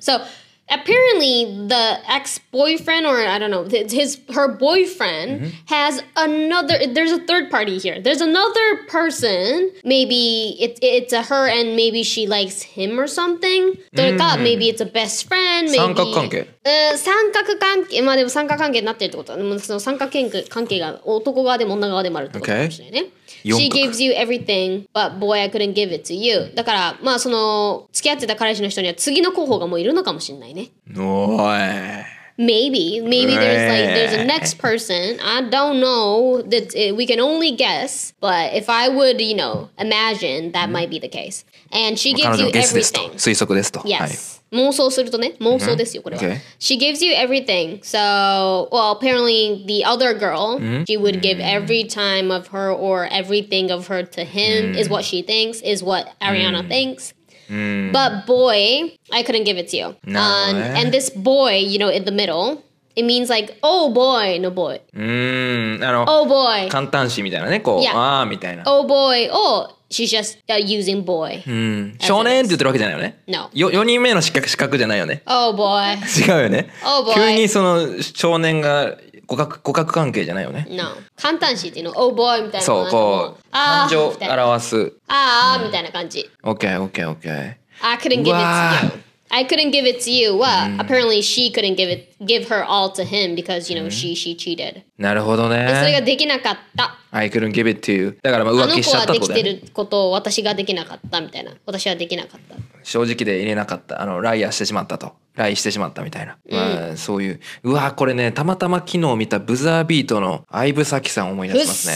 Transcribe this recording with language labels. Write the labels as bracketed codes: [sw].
[en] So, apparently, the ex-boyfriend, or I don't know, her boyfriend、mm-hmm. has another, there's a third party here. There's another person, maybe it's a her and maybe she likes him or something. Mm-hmm. Mm-hmm. Maybe it's a best friend. Maybe, [ja] 三角関係。三角関係、まあでも三角関係になってるってことは、でもその三角関係が男側でも女側でもあるってことかもしれないね。 [en] Okay. She gives you everything, but boy, I couldn't give it to you. [ja] だから、まあその付き合ってた彼氏の人には次の候補がもういるのかもしれないね。おい。 [en] Maybe there's a next person. I don't know. That we can only guess. But if I would, you know, imagine that might be the case. And she gives you everything. [ja] 推測ですと。 [en] Yes. [ja] 妄想するとね、妄想ですよこれは、 [en] okay. She gives you everything. So, well, apparently the other girl、mm-hmm. She would give every time of her or everything of her to him、mm-hmm. Is what she thinks, is what Ariana、mm-hmm. thinks、 mm-hmm. But boy, I couldn't give it to you、 no. And this boy, you know, in the middle It means like, oh boy, no boy、 [ja] mm-hmm. あの、 [en] oh boy [ja] 簡単詞みたいなね、こう、 [en] yeah. [ja] ああみたいな [en] Oh boy, ohShe's just、using boy.、 [ja] うん、少年って言ってるわけじゃないよね。 [en] No. [ja] 4人目の資格じゃないよね。 [en] Oh boy. [ja] 違うよね。 [en] Oh boy. [ja] 急にその少年が互角関係じゃないよね。 No. 簡単詞っていうの [en] Oh boy [ja] みたいな。そう、こう、感情表す。ああ、みたいな感じ。 [en] Okay, okay, okay. I couldn't give it to you. I couldn't give it to you. Well,、うん、apparently she couldn't give her all to him because, you know,、うん、she cheated. [ja] なるほどね。それができなかった。 [en] I couldn't give it to you. [ja] だからまあ浮気しちゃったことで。あの子はできてることを私ができなかったみたいな。私はできなかった。正直で入れなかった。あの、ライアーしてしまったと。ライしてしまったみたいな。うん、まあ、そういう。うわ、これね、たまたま昨日見たブザービートの相武咲さん思い出しますね。